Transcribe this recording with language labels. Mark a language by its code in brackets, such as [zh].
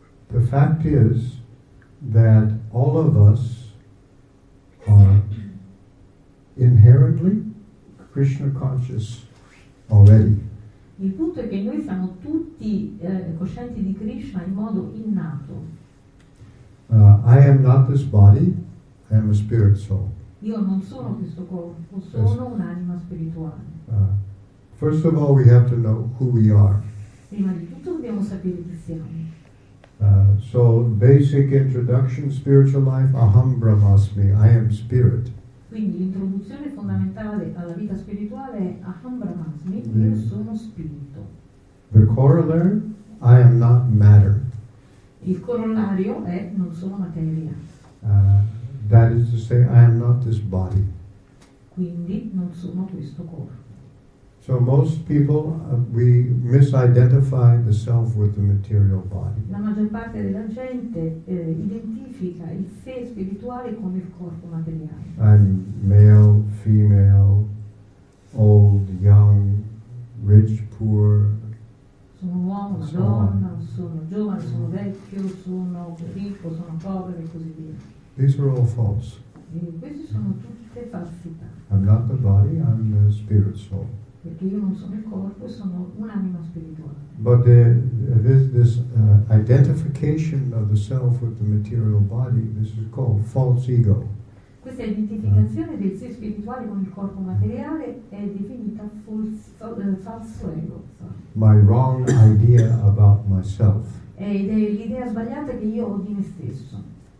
[en] The fact is that all of us are inherently Krishna conscious already. [it] Il punto è che noi siamo tutti coscienti di Krishna in modo innato. [en] I am not this body, I am a spirit soul. [it] Io non sono questo corpo, sono un'anima spirituale. [en] First of all, we have to know who we are. [it] Prima di tutto dobbiamo sapere chi siamo. [en] So, basic introduction, spiritual life, aham brahmasmi, I am spirit. [it] Quindi l'introduzione fondamentale alla vita spirituale è aham brahmasmi, io sono spirito. [en] The corollary, I am not matter. [it] Il corollario è non sono materia. [en] That is to say, I am not this body. [it] Quindi non sono questo corpo. [en] So most people, we misidentify the self with the material body. [it] La maggior parte della gente identifica il sé spirituale con il corpo materiale. [en] I'm male, female, old, young, rich, poor. [it] Sono uomo, donna, sono giovane, sono vecchio, sono ricco, sono povero e così via. [en] These are all false. [it] Queste sono tutte falsità. [en] I'm not the body, I'm the spirit soul. [it] Perché io non sono il corpo, sono un'anima spirituale. [en] But this identification of the self with the material body, this is called false ego. [it] Questa identificazione del sé spirituale con il corpo materiale è definita falso ego. [en] My wrong idea about myself. [it] Ed è l'idea sbagliata che io ho di me stesso.